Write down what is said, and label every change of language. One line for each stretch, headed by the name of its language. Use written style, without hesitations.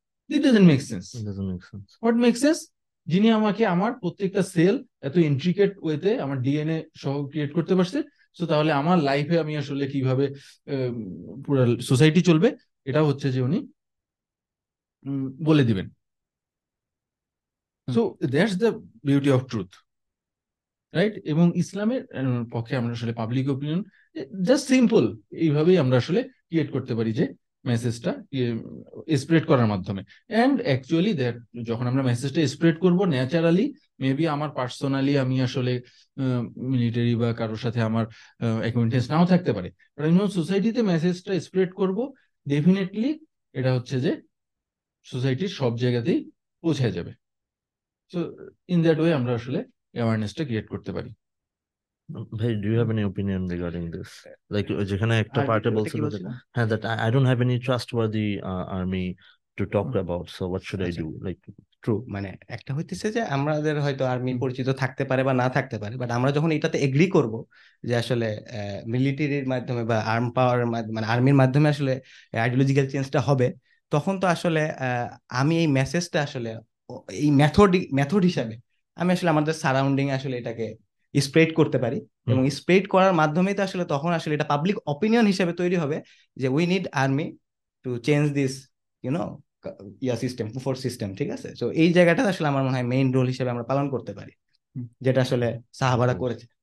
English: it doesn't make sense, what make sense,
Bangla: যিনি আমাকে আমার প্রত্যেকটা সেল এত ইন্ট্রিকেট ওয়েতে আমার ডিএনএ সহ ক্রিয়েট করতে পারছে, সো তাহলে আমার লাইফে আমি আসলে কিভাবে পুরো সোসাইটি চলবে এটা হচ্ছে যে উনি বলে দিবেন।
English: So that's the beauty of truth, right?
Bangla: এবং ইসলামের পক্ষে আমরা আসলে পাবলিক ওপিনিয়ন জাস্ট সিম্পল এইভাবেই আমরা আসলে ক্রিয়েট করতে পারি যে মেসেজটা স্প্রেড করার মাধ্যমে। অ্যান্ড অ্যাকচুয়ালি দ্যাট যখন আমরা মেসেজটা স্প্রেড করবো ন্যাচারালি, মেবি আমার পার্সোনালি আমি আসলে মিলিটারি বা কারোর সাথে আমার অ্যাকোয়েন্টেন্স নাও থাকতে পারে, সোসাইটিতে মেসেজটা স্প্রেড করবো, ডেফিনেটলি এটা হচ্ছে যে সোসাইটির সব জায়গাতেই পৌঁছে যাবে।
English: So in that way
Bangla: amra ashole awareness ta create korte pari.
English: Bhai, do you have any opinion regarding this?
Bangla: Like jekhane ekta part e bolchilo je ha,
English: that I don't have any trustworthy army to talk about, so what should I do? Like true,
Bangla: mane ekta hoyteche je amrader hoyto army porichito thakte pare ba na thakte pare, but amra jokhon eta te agree korbo je ashole military er maddhome ba arm power mane army er maddhome ashole ideological change ta hobe, tokhon to ashole ami ei message ta ashole এই method হিসাবে আমি আসলে আমাদের সারাউন্ডিংয়ে আসলে এটাকে spread করতে পারি, এবং স্প্রেড করার মাধ্যমেই তো আসলে তখন আসলে এটা পাবলিক অপিনিয়ন হিসেবে তৈরি হবে যে
English: we need army to change this you know yeah system, force system,
Bangla: ঠিক আছে। সো এই জায়গাটা আসলে আমার মনে হয় মেইন রোল হিসেবে আমরা পালন করতে পারি, যেটা আসলে সাহাবারা করেছে।